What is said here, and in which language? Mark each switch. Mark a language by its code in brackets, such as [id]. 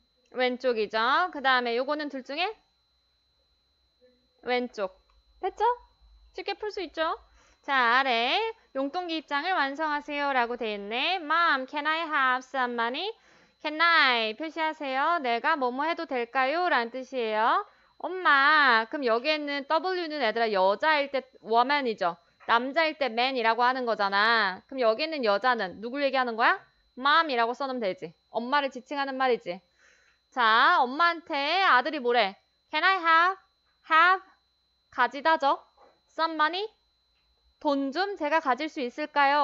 [ko] 왼쪽이죠. 그 다음에 요거는 둘 중에 왼쪽. 됐죠? 쉽게 풀수 있죠? 자, 아래 용돈 기입장을 완성하세요라고 돼 있네. [en] Mom, can I have some money? Can I [ko] 표시하세요. 내가 뭐뭐 해도 될까요? 라는 뜻이에요. 엄마, 그럼 여기에는 W는 얘들아 여자일 때 woman이죠. 남자일 때 man이라고 하는 거잖아. 그럼 여기에는 여자는 누굴 얘기하는 거야? Mom이라고 써놓으면 되지. 엄마를 지칭하는 말이지. 자, 엄마한테 아들이 뭐래? [en] Can I have [ko] 가지다죠? [en] Some money? [ko] 돈좀 제가 가질 수 있을까요?